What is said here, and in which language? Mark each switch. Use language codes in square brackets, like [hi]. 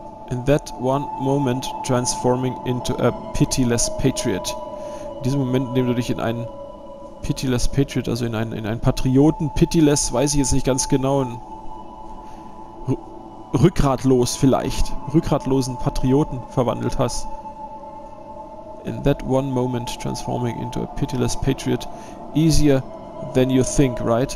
[en] in that one moment transforming into a pitiless patriot. [de] In diesem Moment, in dem du dich in einen [en] pitiless patriot, [de] also in einen Patrioten, pitiless, weiß ich jetzt nicht ganz genau, rückgratlos vielleicht, rückgratlosen Patrioten verwandelt hast. [en] In that one moment transforming into a pitiless patriot, easier than you think, right?